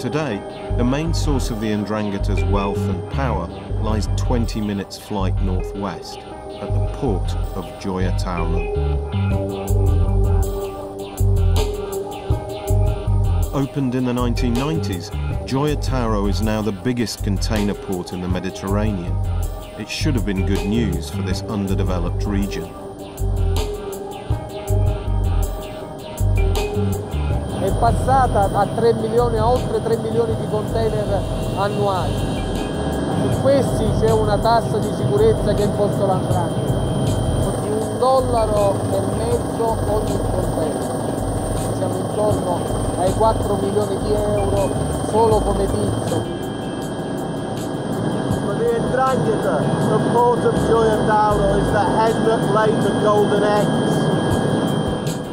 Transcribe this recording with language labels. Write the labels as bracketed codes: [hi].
[en] Today, the main source of the Ndrangheta's wealth and power lies 20 minutes flight northwest, at the port of Gioia Tauro. opened in the 1990s, Gioia Tauro is now the biggest container port in the Mediterranean. It should have been good news for this underdeveloped region. [it] È passata a 3 milioni, a oltre 3 milioni di container annuali. Su questi c'è una tassa di sicurezza che è imposto l'Ndrangheta. Di un dollaro e mezzo ogni container. Siamo intorno ai 4 milioni di euro solo come pizzo. [en] Ndrangheta, the port of Gioia Tauro, is the head that laid the golden eggs.